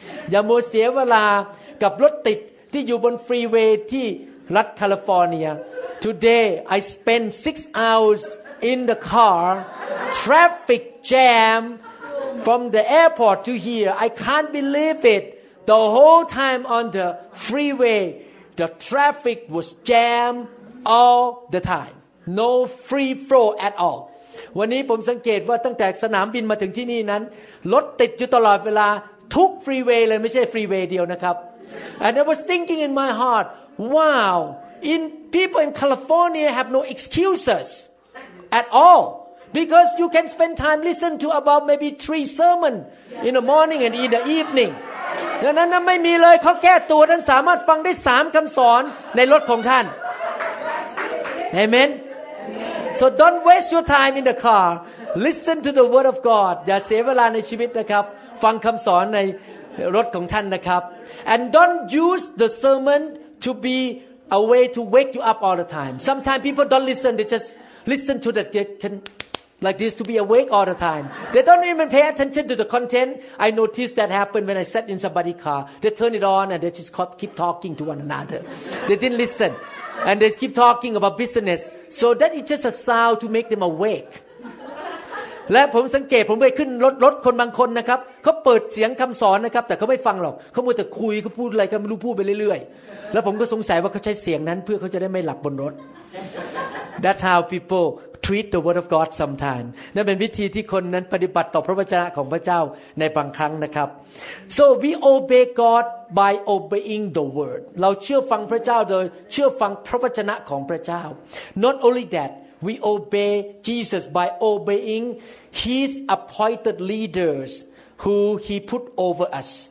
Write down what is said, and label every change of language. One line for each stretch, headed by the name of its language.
Thai: อย่ามัวเสียเวลากับรถติดที่อยู่บนฟรีเวย์ที่รัฐแคลิฟอร์เนีย
English: today I spend 6 hours in the car traffic jamFrom the airport to here, I can't believe it. The whole time on the freeway, the traffic was jammed all the time. No free flow at all.
Thai: วันนี้ผมสังเกตว่าตั้งแต่สนามบินมาถึงที่นี่นั้นรถติดอยู่ตลอดเวลาทุกฟรีเวย์เลยไม่ใช่ฟรีเวย์เดียวนะครับ
English: And I was thinking in my heart, wow, in people in California have no excuses at all. Because you can spend time listen to about maybe 3 sermon in the morning and in the evening.
Thai: ดังนั้นไม่มีเลยเขาแก้ตัวท่านสามารถฟังได้3คำสอนในรถของท่าน Amen.
English: So don't waste your time in the car. Listen to the word of God.
Thai: อย่าเสียเวลาในชีวิตนะครับฟังคำสอนในรถของท่านนะครับ
English: And don't use the sermon to be a way to wake you up all the time. Sometimes people don't listen. They just listen to that. CanLike this to be awake all the time. They don't even pay attention to the content. I noticed that happened when I sat in somebody's car. They turn it on and they just keep talking to one another. They didn't listen. And they keep talking about business. So that is just a sound to make them awake.
Thai: และผมสังเกตผมไปขึ้นรถคนบางคนนะครับเขาเปิดเสียงคำสอนนะครับแต่เขาไม่ฟังหรอกเขามัวแต่คุยเขาพูดอะไรก็ไม่รู้พูดไปเรื่อยๆแล้วผมก็สงสัยว่าเขาใช้เสียงนั้นเพื่อเขาจะได้ไม่หลับบนรถ
English: That's how people treat the word of God sometimes
Thai: นั่นเป็นวิธีที่คนนั้นปฏิบัติต่อพระวจนะของพระเจ้าในบางครั้งนะครับ
English: So we obey God by obeying the word
Thai: เราเชื่อฟังพระเจ้าโดยเชื่อฟังพระวจนะของพระเจ้า
English: Not only thatWe obey Jesus by obeying His appointed leaders who He put over us.